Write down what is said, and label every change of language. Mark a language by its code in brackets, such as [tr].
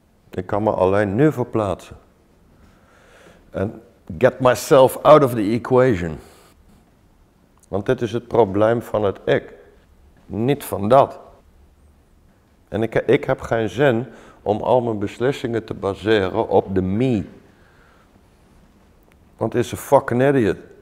[nl] Ik kan me alleen nu verplaatsen. [en] And get myself out of the equation. [nl] Want dit is het probleem van het ik, niet van dat. En ik heb geen zin om al mijn beslissingen te baseren op de me. Want is een [en] fucking idiot.